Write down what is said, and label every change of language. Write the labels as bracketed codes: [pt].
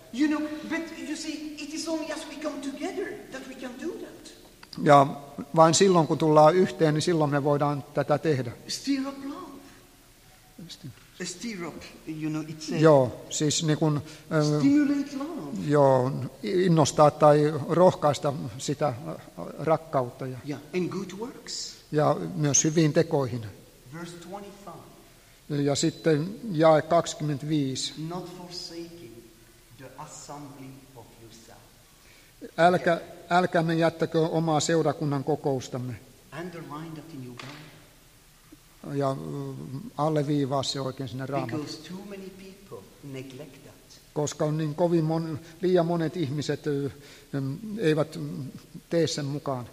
[en] You know, but you see, it is only as we come together that we can do that. [fi] Ja vain silloin, kun tullaan yhteen, niin silloin me voidaan tätä tehdä. [en] Stir up love. Stir up, you know, it's a... [fi] Joo, siis niin kuin... [en] Stimulate love. [fi] Joo, innostaa tai rohkaista sitä rakkautta. [en] Yeah, and good works. [fi] Ja myös hyviin tekoihin. [en] Verse 25. [fi] Ja sitten jae 25. [en] Not forsaking the assembly of yourself. [fi] Älkäämme jättäkö omaa seurakunnan kokoustamme. [en] Underline that in your Bible. [fi] Ja alleviivaa se oikein sinne Raamattuun. [en] Because too many people neglect that. [fi] Koska on niin kovin liian monet ihmiset eivät tee sen mukaan.